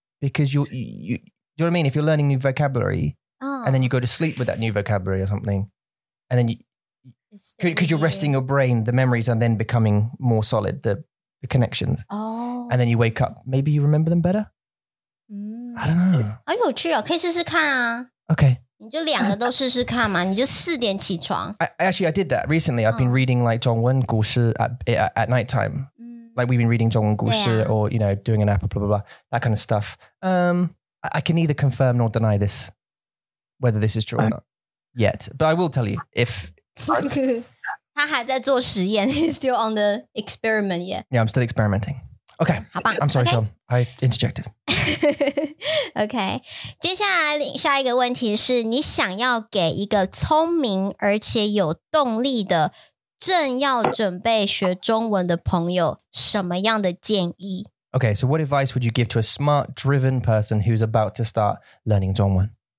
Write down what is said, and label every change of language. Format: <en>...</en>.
<en>Because you do you know what I mean? If you're learning new vocabulary and then you go to sleep with that new vocabulary or something, and then you, because you're resting your brain, the memories are then becoming more solid, the the connections. Oh. And then you wake up, maybe you remember them better? Mm. I don't know.</en> <zh>好有趣哦, 可以试试看啊。</zh> <en>Okay.</en> <zh>你就两个都试试看嘛, 你就4点起床。</zh> <en>Actually, I did that recently. I've been reading like 中文故事 at nighttime. Like we've been reading 中文故事 or, you know, doing an app, blah, blah, blah, that kind of stuff. I can neither confirm nor deny this, whether this is true or not yet. But I will tell you if...</en> <zh>他还在做实验,</zh> <en>he's still on the experiment yet. Yeah, I'm still experimenting. Okay,</en> <zh>好棒,</zh> <en>I'm sorry, okay. Sean. I interjected.</en> <zh>Okay, 接下来下一个问题是, 你想要给一个聪明而且有动力的 正要准备学中文的朋友什么样的建议?</zh> <en>Okay, so what advice would you give to a smart, driven person who's about to start learning 中文?</en>